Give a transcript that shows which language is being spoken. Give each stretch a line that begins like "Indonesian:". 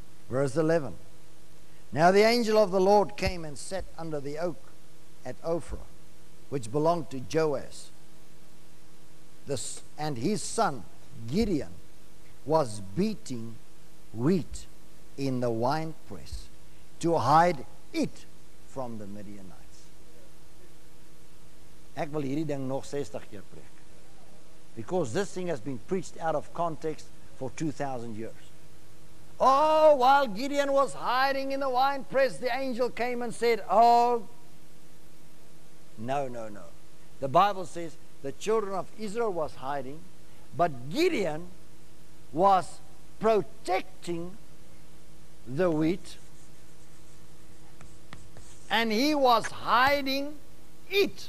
English: Verse 11. Now the angel of the Lord came and sat under the oak at Ophrah, which belonged to Joash. And his son Gideon was beating wheat in the wine press to hide it from the Midianites.
Afrikaans: Ek wil hierdie ding nog 60 keer preek.
English: Because this thing has been preached out of context for 2,000 years. Oh, while Gideon was hiding in the wine press, the angel came and said, oh, no. The Bible says the children of Israel was hiding, but Gideon was protecting the wheat, and he was hiding it.